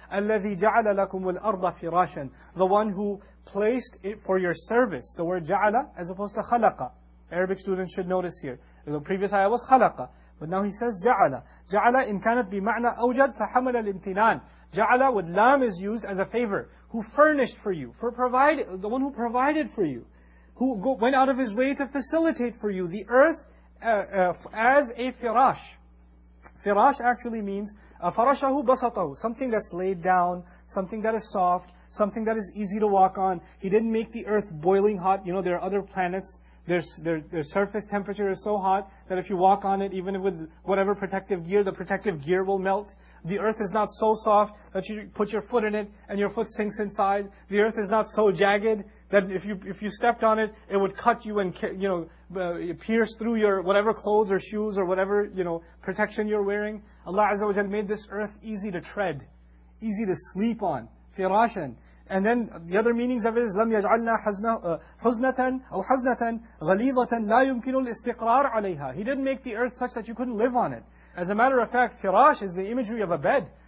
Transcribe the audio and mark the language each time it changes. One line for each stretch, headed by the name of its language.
Arabic: الذي جعل لكم الأرض فراشا,
English: the one who placed it for your service. The word جعل as opposed to خلق. Arabic students should notice here. The previous ayah was خلق, but now he says جعل.
Arabic: جعل إن كانت بمعنى أوجد فحمل الامتنان.
English: جعل with لام is used as a favor. Who furnished for you? The one who provided for you. Who went out of his way to facilitate for you the earth as a firash. Firash actually means
Arabic: farashahu basatahu,
English: something that's laid down, something that is soft, something that is easy to walk on. He didn't make the earth boiling hot. You know, there are other planets. Their surface temperature is so hot that if you walk on it, even with whatever protective gear, the protective gear will melt. The earth is not so soft that you put your foot in it and your foot sinks inside. The earth is not so jagged that if you stepped on it, it would cut you and, you know, pierce through your whatever clothes or shoes or whatever, you know, protection you're wearing. Allah Azza wa Jalla made this earth easy to tread, easy to sleep on. Firashan. And then the other meanings of it is
Arabic: لَمْ يَجْعَلْنَا حُزْنَةً أَوْ حَزْنَةً غَلِيظَةً لَا يُمْكِنُ الْإِسْتِقْرَارُ عَلَيْهَا.
English: He didn't make the earth such that you couldn't live on it. As a matter of fact, firash is the imagery of a bed.